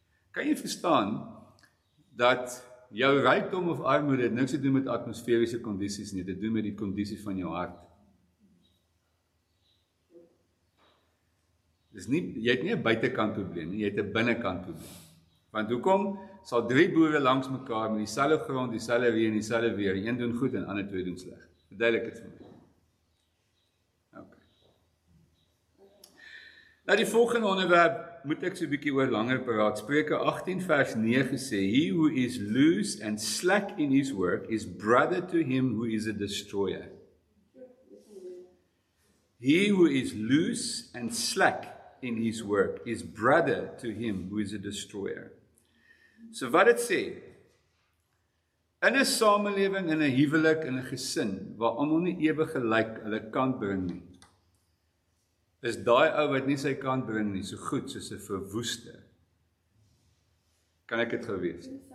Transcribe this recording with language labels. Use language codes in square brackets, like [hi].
[af] Kan jy verstaan dat jou rykdom of armoede niks te doen met atmosferiese kondisies nie, dit doen met die kondisie van jou hart. Dis nie, jy het nie 'n buitekant probleem nie, jy het 'n binnekant probleem. Want hoekom sal drie boere langs mekaar met dieselfde grond, dieselfde reën, dieselfde weer, een doen goed en ander twee doen sleg? Verduidelik dit vir my. Okay. Nou die volgende onderwerp moet ek so 'n bietjie oor langer praat. Spreuke 18 vers 9 sê: [en] "He who is loose and slack in his work is brother to him who is a destroyer." He who is loose and slack in his work is brother to him who is a destroyer. [af] So wat dit sê, in 'n samelewing, in 'n huwelik, in 'n gesin, waar almal nie ewe gelyk hulle kant bring nie, is daai ou wat nie sy kant bring nie, so goed soos 'n verwoester. Kan ek dit gewees?